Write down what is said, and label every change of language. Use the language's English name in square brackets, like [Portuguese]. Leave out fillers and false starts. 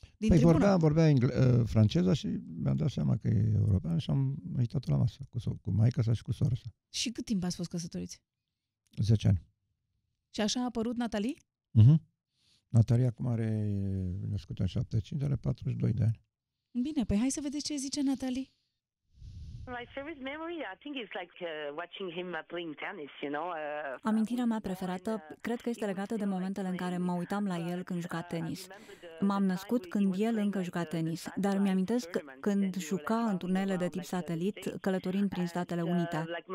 [Romanian] Păi vorbea franceza și mi-am dat seama că e european și am uitat-o la masă cu maica sa și cu sora sa. Și cât timp ați fost căsătoriți? 10 ani. Și așa a apărut Natalie? Uh-huh. Natalie acum are, născută în 75, are 42 de ani. Bine, păi hai să vedeți ce zice Natalie. [English] My favorite memory, I think it's like watching him playing tennis, you know. [Romanian] Amintirea mea preferată cred că este legată de momentele în care mă uitam la el când juca tenis. M-am născut când el încă juca tenis, dar mi-amintesc când juca în turnele de tip satelit, călătorind prin Statele Unite.